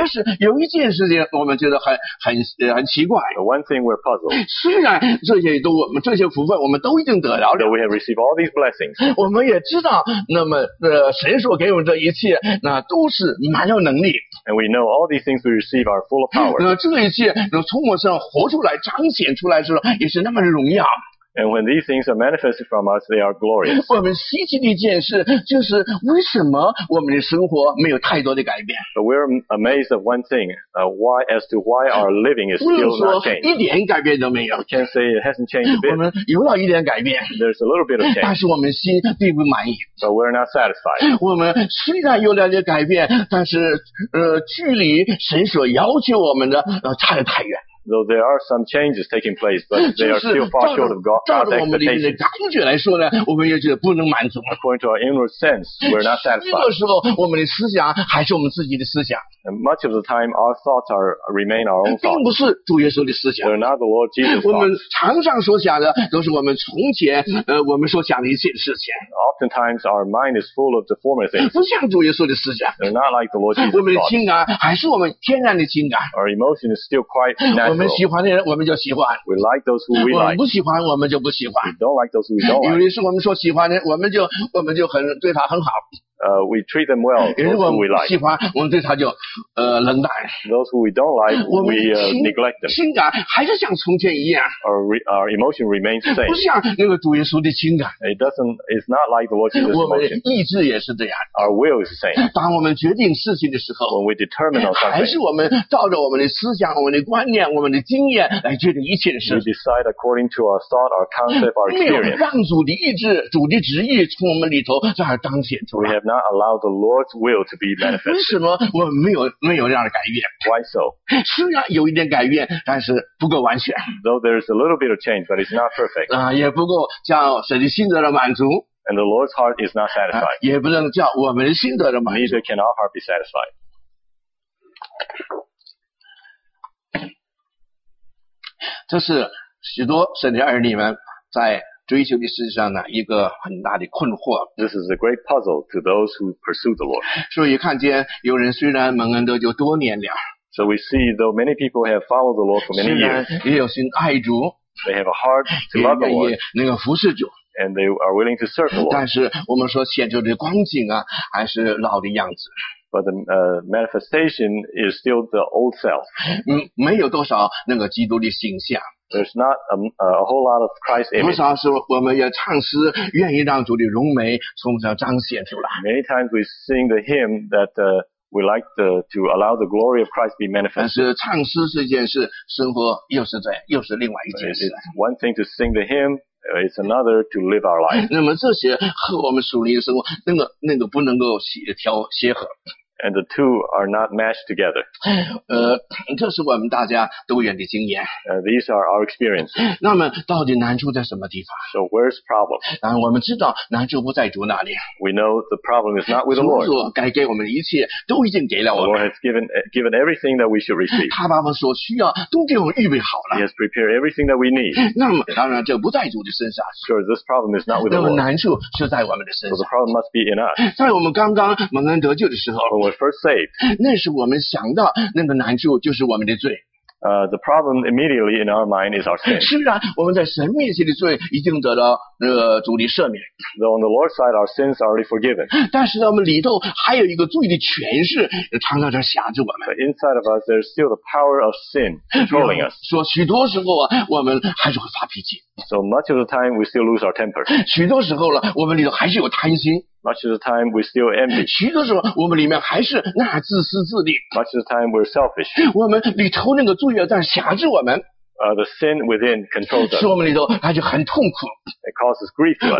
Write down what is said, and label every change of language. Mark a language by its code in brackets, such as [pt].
[zh] 但是有一件事情我们觉得很奇怪。 [en] The one thing we're puzzled. [zh] 虽然这些都我们这些福分我们都已经得到了。 [en] Though we have received all these blessings. [zh] 我们也知道，那么神所给我们这一切，那都是蛮有能力。 [en] And we know all these things we receive are full of power. [zh] 那这一切那从我身上活出来、彰显出来的时候，也是那么的荣耀。 [en] And when these things are manifested from us, they are glorious. [zh] 我们稀奇的一件事就是为什么我们的生活没有太多的改变。 [en] But we're amazed of one thing, as to why our living is still not changed. [zh] 不能说一点改变都没有。 [en] Can't say it hasn't changed a bit. [zh] 我们有了一点改变。 [en] There's a little bit of change. [zh] 但是我们心并不满意。 [en] But we're not satisfied. [zh] 我们虽然有了点改变，但是距离神所要求我们的差得太远。 [en] Though there are some changes taking place, but they are still far short of God's expectations. [zh] 照着我们的感觉来说呢，我们也觉得不能满足。 [en] According to our inward sense, we're not satisfied. [zh] 这个时候，我们的思想还是我们自己的思想。 [en] And much of the time, our thoughts remain our own thoughts. [zh] 并不是主耶稣的思想。 [en] They're not the Lord Jesus' thoughts. [zh] 我们常常所想的都是我们从前我们所想的一切的事情。 [en] Oftentimes, our mind is full of the former things. [zh] 不像主耶稣的思想。 [en] They're not like the Lord Jesus' thoughts. [zh] 我们的情感还是我们天然的情感。 [en] Our emotion is still quite natural. [zh] 我们喜欢的人，我们就喜欢。 [en] We like those who we like. [zh] 我们不喜欢，我们就不喜欢。 [en] We don't like those who we don't like. [zh] 有的是我们说喜欢的，我们就很对他很好。 [en] We treat them well. Those who we like. [zh] 喜欢，我们对他就冷淡。 [en] Those who we don't like, we neglect them. [zh] 情感还是像从前一样。 [en] Our emotion remains the same. [zh] 不像那个主耶稣的情感。 [en] It's not like the Lord Jesus' emotion. [zh] 我们意志也是这样。 [en] Our will is the same. [zh] 当我们决定事情的时候。 [en] When we determine something. [zh] 还是我们照着我们的思想、我们的观念、我们的经验来决定一切的事。 [en] We decide according to our thought, our concept, our experience. [zh] 没有让主的意志、主的旨意从我们里头在那彰显出来。 [en] Not allow the Lord's will to be manifested. [zh] 为什么我们没有这样的改变？ [en] Why so? [zh] 虽然有一点改变，但是不够完全。 [en] Though there is a little bit of change, but it's not perfect. [zh] 也不够叫神的心得的满足。 [en] And the Lord's heart is not satisfied. [zh] 也不能叫我们的心得的满足。 [en] Neither can our heart be satisfied. [zh] 这是许多神的儿女们在追求的事实上呢，一个很大的困惑。 [en] This is a great puzzle to those who pursue the Lord. [zh] 所以看见有人虽然蒙恩得救多年了。 [en] So we see though many people have followed the Lord for many years. [zh] 虽然也有心爱主。 [en] They have a heart to love the Lord. [zh] 也愿意那个服侍主。 [en] And they are willing to serve the Lord. [zh] 但是我们说显出的光景啊，还是老的样子。 [en] But the manifestation is still the old self. [zh] 没有多少那个基督的形象。 [en] There's not a whole lot of Christ image. [zh] 多少时候我们也唱诗，愿意让主的荣美从这彰显出来。 [en] Many times we sing the hymn that we like to allow the glory of Christ be manifested. [zh] 但是唱诗是一件事，生活又是这样，又是另外一件事。 [en] It's one thing to sing the hymn, it's another to live our life. [zh] 那么这些和我们属灵生活那个不能够协和。 [en] And the two are not matched together. [zh] 这是我们大家都有的经验。 [en] These are our experiences. [zh] 那么到底难处在什么地方？ [en] So where's the problem? [zh] 然后我们知道难处不在主那里。 [en] We know the problem is not with the Lord. [zh] 主所该给我们的一切都已经给了我们。 [en] The Lord has given everything that we should receive. [zh] 他把我们所需要都给我们预备好了。 [en] He has prepared everything that we need. [zh] 那么当然这不在主的身上。 [en] Sure, this problem is not with the Lord. [zh] 那么难处是在我们的身上。 [en] So the problem must be in us. [zh] 在我们刚刚蒙恩得救的时候。 [en] First saved. [zh] 那是我们想到那个难处就是我们的罪。 [en] The problem immediately in our mind is our sin. [zh] 虽然我们在神面前的罪已经得了那个主的赦免。 [en] Though on the Lord's side, our sins are already forgiven. [zh] 但是呢，我们里头还有一个罪的权势常常在辖制我们。 [en] But inside of us, there's still the power of sin controlling us. [zh] 说许多时候啊，我们还是会发脾气。 [en] So much of the time, we still lose our temper. [zh] 许多时候呢，我们里头还是有贪心。 [en] Much of the time we still envy. [zh] 许多时候我们里面还是那自私自利。 [en] Much of the time we're selfish. [zh] 我们里头那个罪要在辖制我们。 [en] The sin within controls us. [zh] 使我们里头还是很痛苦。 [en] It causes grief to us.